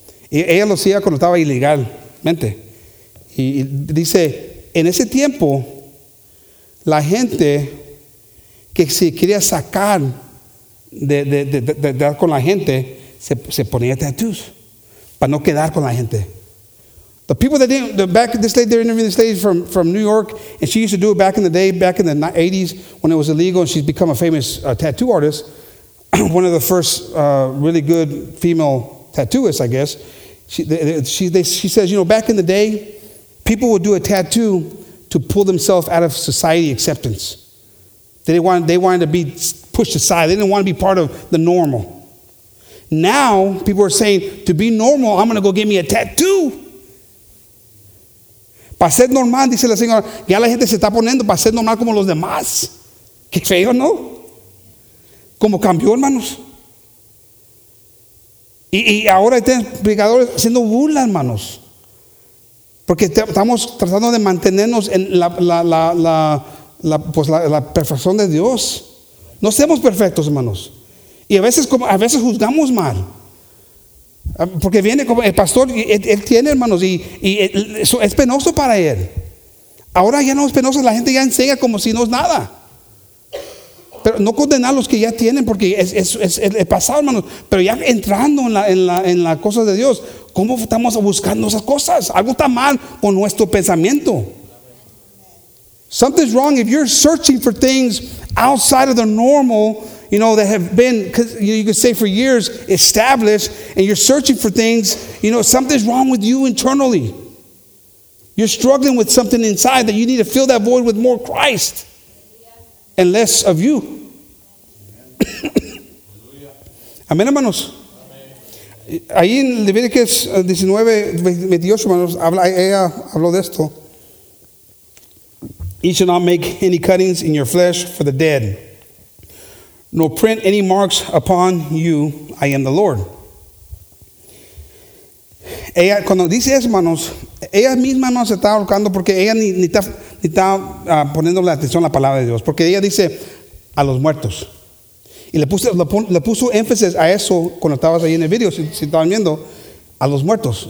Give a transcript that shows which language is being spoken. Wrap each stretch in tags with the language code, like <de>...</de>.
<es>Y ella lo hacía cuando estaba ilegalmente. Y dice, en ese tiempo, la gente que se quería sacar de dar con la gente, se ponía tattoos para no quedar con la gente.</es> <en>The people that didn't, back in this lady, they're interviewing this lady from New York, and she used to do it back in the day, back in the 80s when it was illegal, and she's become a famous tattoo artist, one of the first really good female tattooists, I guess. She says, you know, back in the day, people would do a tattoo to pull themselves out of society acceptance. They wanted to be pushed aside. They didn't want to be part of the normal. Now, people are saying, to be normal, I'm going to go get me a tattoo.</en> <es>Para ser normal, dice la señora, ya la gente se está poniendo para ser normal como los demás. Qué feo, ¿no? Como cambió, hermanos. Y ahora están predicadores haciendo burla, hermanos. Porque estamos tratando de mantenernos en la perfección de Dios. No seamos perfectos, hermanos. Y a veces juzgamos mal. Porque viene como el pastor, él tiene, hermanos, y eso es penoso para él. Ahora ya no es penoso, la gente ya enseña como si no es nada. Pero no condenar a los que ya tienen, porque es el pasado, hermanos. Pero ya entrando en la cosa de Dios, ¿cómo estamos buscando esas cosas? Algo está mal con nuestro pensamiento.</es> <en>Something's wrong if you're searching for things outside of the normal, you know, that have been, you could say for years, established, and you're searching for things, you know, something's wrong with you internally. You're struggling with something inside that you need to fill that void with more Christ and less of you.</en> <es>Amén, hermanos. Ahí en Levíticos 19, 28, hermanos, ella habló de esto.</es> <en>You shall not make any cuttings in your flesh for the dead, nor print any marks upon you. I am the Lord.</en> <es>Ella, cuando dice eso, hermanos, ella misma no se está ahorcando porque ella ni está poniendo la atención a la palabra de Dios. Porque ella dice a los muertos. Y le puso énfasis a eso cuando estabas ahí en el video, si estaban viendo, a los muertos.</es>